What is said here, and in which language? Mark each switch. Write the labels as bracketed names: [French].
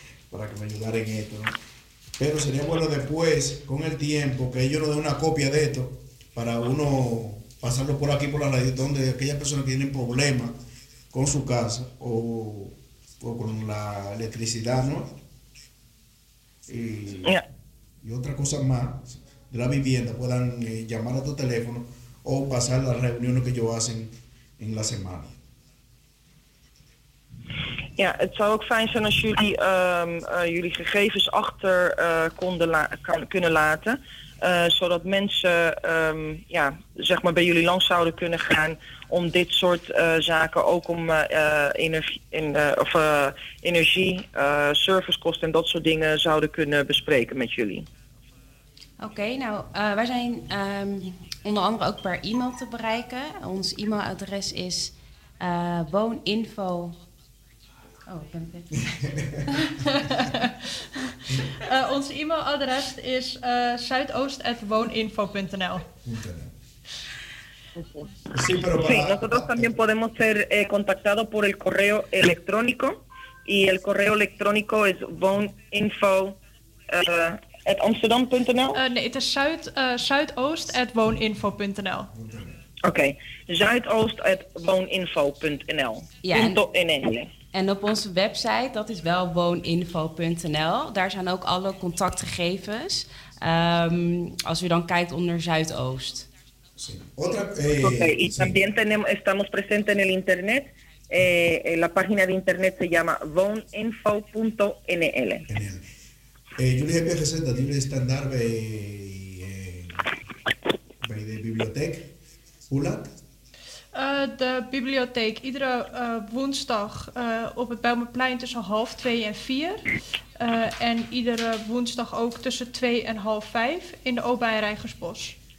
[Spanish] Para que me ayudaran en esto, ¿no? Pero sería bueno después, con el tiempo, que ellos nos den una copia de esto para uno pasarlo por aquí, por la radio, donde aquellas personas que tienen problemas con su casa o con la electricidad, ¿no? Y otra cosa más de la vivienda, puedan llamar a tu teléfono o pasar las reuniones que ellos hacen en la semana. [Dutch] Ja, het zou ook fijn zijn als jullie jullie gegevens achter kunnen laten. Zodat mensen zeg maar bij jullie langs zouden kunnen gaan om dit soort zaken, ook om energie, servicekosten en dat soort dingen zouden kunnen bespreken met jullie. Oké, nou wij zijn onder andere ook per e-mail te bereiken. Ons e-mailadres is wooninfo. Oh, ben ik. ons e-mailadres is zuidoost@wooninfo.nl. [Spanish] Sí, sí, nosotros también podemos ser contactado por el correo electrónico y el correo electrónico es wooninfo@amsterdam.nl. [Dutch] Nee, het is zuidoost@wooninfo.nl. Oké, zuidoost@wooninfo.nl. Ja. En op onze website, dat is wel wooninfo.nl, daar zijn ook alle contactgegevens. Als u dan kijkt onder Zuidoost. [Spanish] Sí. Otra, okay. Y también tenemos, estamos presentes en el internet, La página de internet se llama woninfo.nl. Yo les había presentado un estándar de biblioteca, ULAT. [Dutch] De bibliotheek, iedere woensdag op het Bijlmerplein tussen 2:30 en 4:00. En iedere woensdag ook tussen 2:30 en 5:30 in de Oba en Reigersbos.